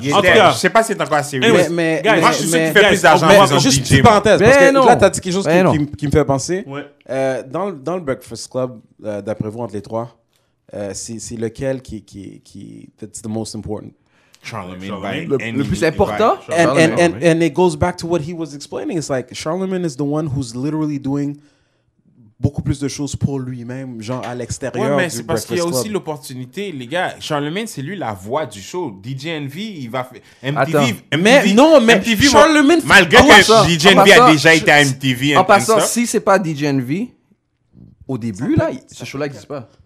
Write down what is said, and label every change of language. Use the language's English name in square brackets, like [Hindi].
[French] Je ne sais pas s'il est encore sérieux. Moi, je suis celui qui fait plus d'argent. Juste une parenthèse, parce que là, tu as dit quelque chose qui me fait penser. Dans le Breakfast Club, d'après vous, entre les trois, c'est lequel qui est le plus important? Charlemagne, le plus important, [English] it goes back to what he was explaining. It's like Charlemagne is the one who's literally doing [French] beaucoup plus de choses pour lui-même, genre à l'extérieur. Ouais, mais du c'est parce qu'il y a aussi l'opportunité, les gars. Charlemagne, c'est lui la voix du show. DJ Envy, il va faire. MTV. Attends. MTV, mais non, mais MTV, Charlemagne, malgré que DJ Envy a déjà été à MTV. En passant, si c'est pas DJ Envy, au début, là, ce show-là n'existe pas.